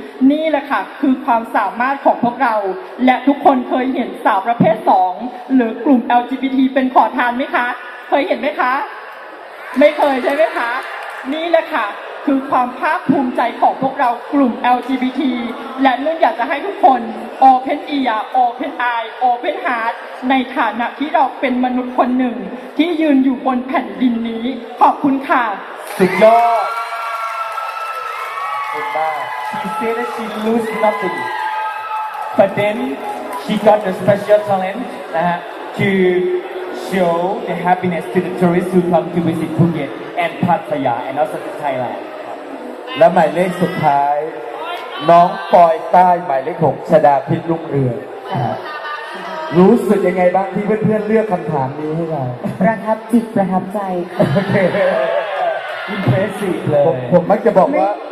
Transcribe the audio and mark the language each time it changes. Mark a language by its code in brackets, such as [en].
[th] นี่แหละค่ะคือความสามารถของพวกเราและทุกคนเคยเห็นสาวประเภท2หรือกลุ่ม LGBT เป็นขอทานไหมคะเคยเห็นไหมคะไม่เคยใช่ไหมคะนี่แหละค่ะคือความภาคภูมิใจของพวกเรากลุ่ม LGBT และนุ่นอยากจะให้ทุกคน [en] open ear open eye open heart [th] ในฐานะที่เราเป็นมนุษย์คนหนึ่งที่ยืนอยู่บนแผ่นดินนี้ขอบคุณค่ะ สุดยอดคุณมาก [en] She said that she lose nothing but then she got a special talent to show the happiness to the tourists who come to visit Phuket and Pattaya and also to Thailand [th] และหมายเลขสุดท้ายน้องปอยใต้หมายเลข6ชดาพิษลุ่งเรืองรู้สึกยังไงบ้างที่เพื่อนๆเลือกคำถามนี้ให้เรา ประทับจิตประทับใจ โอเค อินเพรสซีฟเลย ผมมักจะบอกว่า